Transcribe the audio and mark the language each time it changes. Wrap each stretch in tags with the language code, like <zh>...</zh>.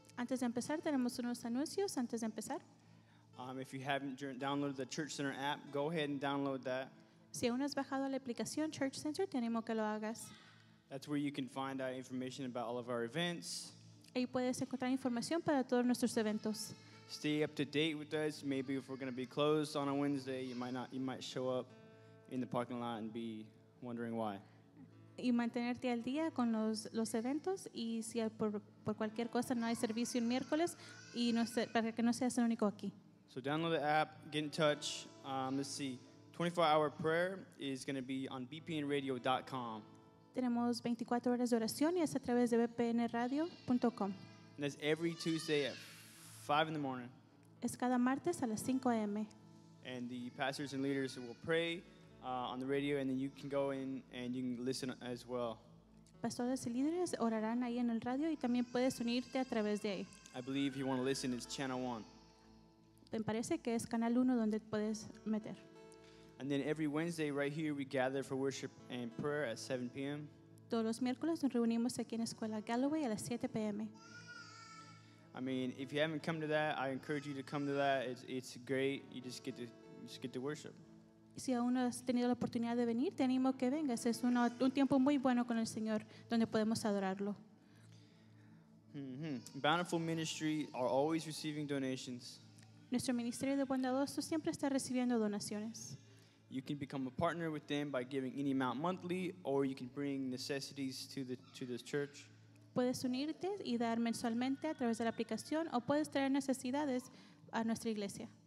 <es>Antes de empezar, tenemos unos anuncios antes de empezar.</es> <en>If you haven't downloaded the Church Center app, go ahead and download that.</en> <es>Si aún has bajado la aplicación Church Center, te animo que lo hagas.</es> <en>That's where you can find out information about all of our events.</en> <es>Ahí puedes encontrar información para todos nuestros eventos.</es> <en>Stay up to date with us. Maybe if we're going to be closed on a Wednesday, you might show up in the parking lot and be wondering why.</en> <es>Y mantenerte al día con los eventos y si por cualquier cosa no hay servicio un miércoles y no sé, para que no seas el único aquí.</es> <en>So download the app, get in touch. Let's see. 24-hour prayer is going to be on bpnradio.com.</en> <es>Tenemos 24 horas de oración y es a través de bpnradio.com.</es> <en>And that's every Tuesday at 5 in the morning.</en> <es>Es cada martes a las 5 a.m.</es> <en>And the pastors and leaders will pray on the radio, and then you can go in and you can listen as well.</en> <es>Pastores y líderes orarán ahí en el radio y también puedes unirte a través de ahí.</es> <en>I believe if you want to listen, it's channel 1.</en> <es>Me parece que es canal 1 donde puedes meter.</es> <en>And then every Wednesday right here we gather for worship and prayer at 7 p.m.</en> <es>Todos los miércoles nos reunimos aquí en Escuela Galloway a las 7 p.m.</es> <en>I mean, if you haven't come to that, I encourage you to come to that. It's great. You just get to worship.</en> <es>Si aún no has tenido la oportunidad de venir, te animo a que vengas. Es un tiempo muy bueno con el Señor donde podemos adorarlo.</es> <en>Bountiful Ministry are always receiving donations.</en> <es>Nuestro ministerio de bondadoso siempre está recibiendo donaciones.</es> <en>You can become a partner with them by giving any amount monthly, or you can bring necessities to the church.</en> <es>Puedes unirte y dar mensualmente a través de la aplicación, o puedes traer necesidades a nuestra iglesia.</es>